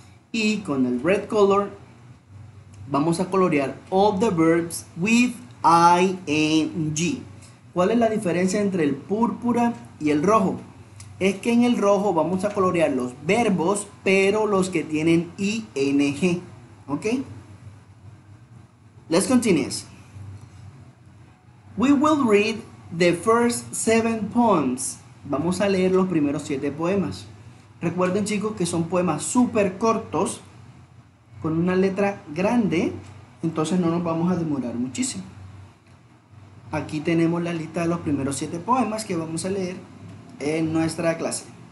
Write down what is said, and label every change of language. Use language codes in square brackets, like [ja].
[es] Y con el [en] red color [es] vamos a colorear [en] all the verbs with ing. [es] ¿Cuál es la diferencia entre el púrpura y el rojo? Es que en el rojo vamos a colorear los verbos, pero los que tienen ing. [en] ¿Ok? Let's continue. We will read the first seven poems. [es] Vamos a leer los primeros siete poemas. Recuerden, chicos, que son poemas súper cortos, con una letra grande, entonces no nos vamos a demorar muchísimo. Aquí tenemos la lista de los primeros siete poemas que vamos a leer en nuestra clase.